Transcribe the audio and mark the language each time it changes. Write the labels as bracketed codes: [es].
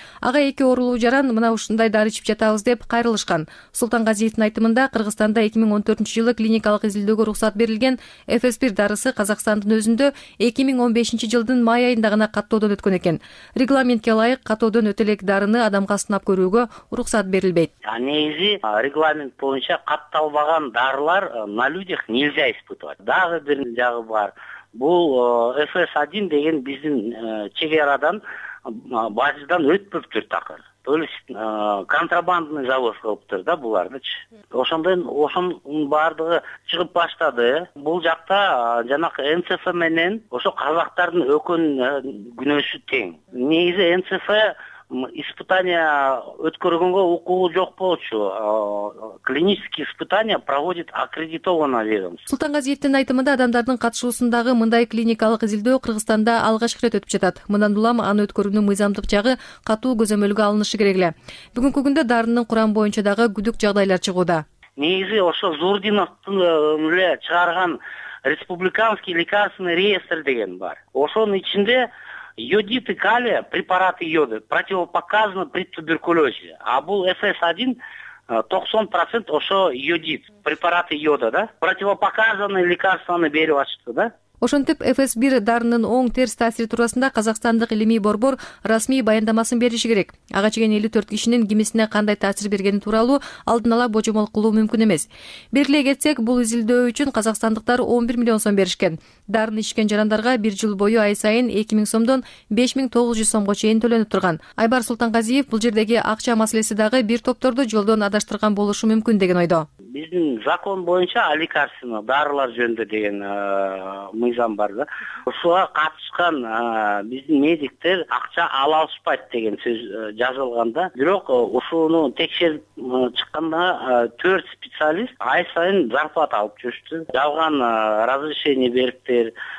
[ky] Ага эки оорулуу жаран, мына ушундай дары ичип жатабыз деп кайрылышкан. Султангазиевдин айтымында Кыргызстанда 2014-жылы клиникалык изилдөөгө уруксат берилген FS1 дарысы Казакстандын өзүндө 2015-жылдын май айында гана каттоодон өткөн экен. Регламентке ылайык каттоодон өтө элек дарыны адамга сынап көрүүгө уруксат берилбейт. Негизи регламент боюнча катталбаган дарылар [ru] на людях нельзя испытывать. [ky] Дагы бир жагы бар. Бул FS1 деген биздин чек арадан базадан өтпөптүр такыр. [ru] То есть контрабандный завоз [ky] кылыптыр да булардычы. Ошондон ошонун баардыгы чыгып баштады. Бул жакта жанагы НЦФ менен ошо казактардын өкөн күнөсү тең. Негизи НЦФ испытания өткөргөнгө укугу жок болчу. [ru] Клинические испытания проводит аккредитованное ведомство. [ky] Султангазиевдин айтымында адамдардын катышуусундагы мындай клиникалык изилдөө Кыргызстанда алгач ирет өтүп жатат. Мындан улам аны өткөрүүнүн мыйзамдык жагы катуу көзөмөлгө алынышы керек эле. Бүгүнкү күндө дарынын курам боюнча дагы күдүк жагдайлар чыгууда. Негизи ошо Зурдиновдун эле чыгарган [ru] республиканский лекарственный реестр [ky] деген бар. Ошонун ичинде [ru] йодит и калия, препараты йода, противопоказаны при туберкулезе. [ky] А бул [ru] FS1 [ky] 90% ошо йодит, [ru] препараты йода, [ky] да? Противопоказанные лекарствоны берип ачты, да? Ошентип, ФС-1 дарынын оң терс таасири туурасында Казакстандык илимий борбор расмий баяндамасын бериши керек. Ага чейин 54 кишинин кимисине кандай таасир бергени тууралуу алдын ала божомол кылуу мүмкүн эмес. Бириле кетсек, бул изилдөө үчүн казакстандыктар 11 миллион сом беришкен. Дарын ичкен жарандарга бир жыл бою ай сайын 2000 сомдон 5900 сомго чейин төлөнүп турган. Айбар Султангазиев бул жердеги акча маселеси дагы бир топторду жолдон адаштырган болушу мүмкүн деген ойдо. Биздин закон боюнча аликарсино дарылар жөнүндө деген мыйзам бар да. Ушуга катышкан биздин медиктер акча ала алышпайт деген сөз жазылган да. Бирок ушуну текшерип чыкканда 4 специалист ай сайын зарплата алып жүрүштү. Жалган разрешение бериптир.